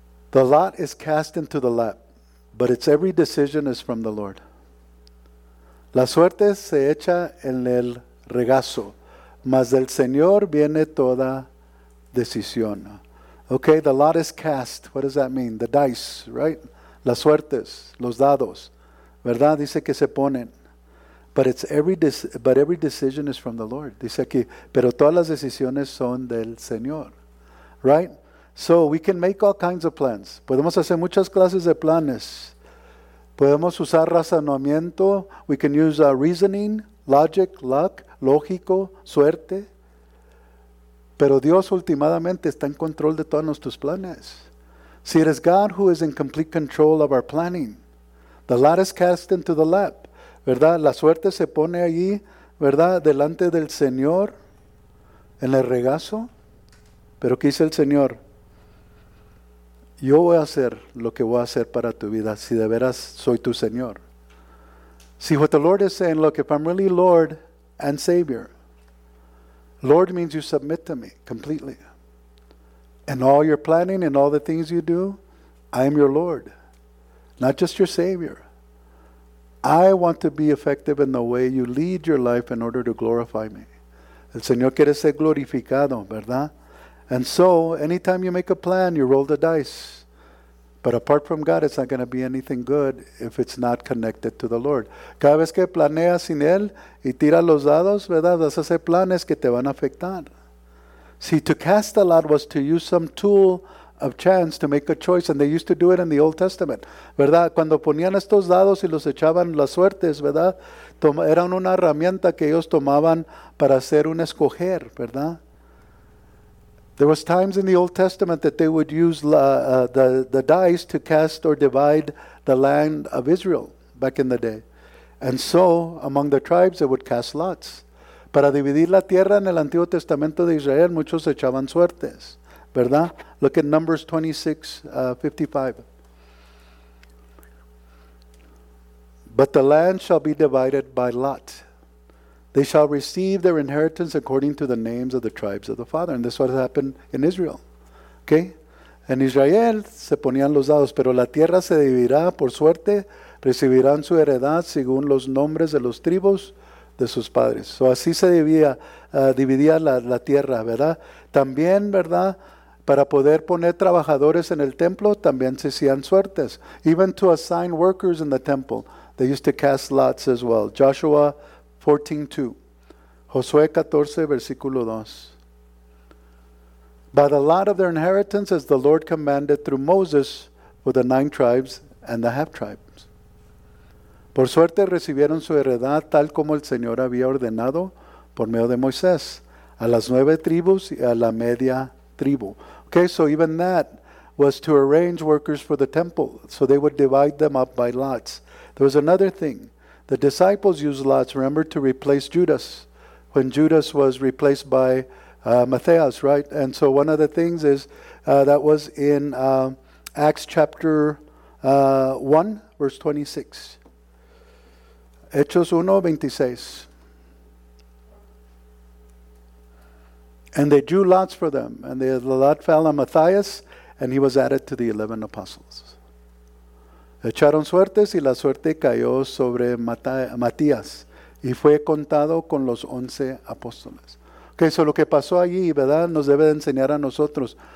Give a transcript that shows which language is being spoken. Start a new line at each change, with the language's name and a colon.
English: The lot is cast into the lap, but its every decision is from the Lord.
Spanish: La suerte se echa en el regazo, mas del Señor viene toda decisión.
English: Okay, the lot is cast. What does that mean? The dice, right?
Spanish: Las suertes, los dados, ¿verdad? Dice que se ponen.
English: But every decision is from the Lord.
Spanish: Dice aquí, pero todas las decisiones son del Señor,
English: right? So we can make all kinds of plans.
Spanish: Podemos hacer muchas clases de planes. Podemos usar razonamiento.
English: We can use reasoning, logic, luck,
Spanish: lógico, suerte. Pero Dios ultimadamente está en control de todos nuestros planes.
English: See, it is God who is in complete control of our planning. The lot is cast into the lap.
Spanish: ¿Verdad? La suerte se pone allí, ¿verdad? Delante del Señor, en el regazo. Pero ¿qué dice el Señor? Yo voy a hacer lo que voy a hacer para tu vida, si de veras soy tu Señor.
English: See, what the Lord is saying, look, if I'm really Lord and Savior, Lord means you submit to me completely. And all your planning and all the things you do, I am your Lord, not just your Savior. I want to be effective in the way you lead your life in order to glorify me.
Spanish: El Señor quiere ser glorificado, ¿verdad?
English: And so, anytime you make a plan, you roll the dice. But apart from God, it's not going to be anything good if it's not connected to the Lord.
Spanish: Cada vez que planeas sin Él y tiras los dados, ¿verdad? Vas a hacer planes que te van a afectar.
English: See, to cast the lot was to use some tool of chance to make a choice. And they used to do it in the Old Testament.
Spanish: ¿Verdad? Cuando ponían estos dados y los echaban las suertes, ¿verdad? Eran una herramienta que ellos tomaban para hacer un escoger, ¿verdad?
English: There was times in the Old Testament that they would use the dice to cast or divide the land of Israel back in the day. And so, among the tribes, they would cast lots.
Spanish: Para dividir la tierra en el Antiguo Testamento de Israel, muchos echaban suertes, ¿verdad?
English: Look at Numbers 26:55. But the land shall be divided by lot. They shall receive their inheritance according to the names of the tribes of the father. And this is what happened in Israel. Okay?
Spanish: En Israel se ponían los dados, pero la tierra se dividirá por suerte, recibirán su heredad según los nombres de los tribus de sus padres. So así se dividía la tierra, ¿verdad? También, ¿verdad? Para poder poner trabajadores en el templo, también se hacían suertes.
English: Even to assign workers in the temple, they used to cast lots as well. Joshua 14:2,
Spanish: Josué 14, versículo 2.
English: But a lot of their inheritance, as the Lord commanded through Moses, for the nine tribes and the half tribes.
Spanish: Por suerte recibieron su heredad tal como el Señor había ordenado por medio de Moisés, a las nueve tribus y a la media tribu.
English: Okay, so even that was to arrange workers for the temple, so they would divide them up by lots. There was another thing. The disciples used lots, remember, to replace Judas, when Judas was replaced by Matthias, right? And so one of the things is that was in Acts chapter 1, verse 26.
Spanish: Hechos 1, 26.
English: And they drew lots for them, and the lot fell on Matthias, and he was added to the 11 apostles.
Spanish: Echaron suertes, y la suerte cayó sobre Matías, y fue contado con los 11 apóstoles. Okay, so lo que pasó allí, ¿verdad?, nos debe de enseñar a nosotros.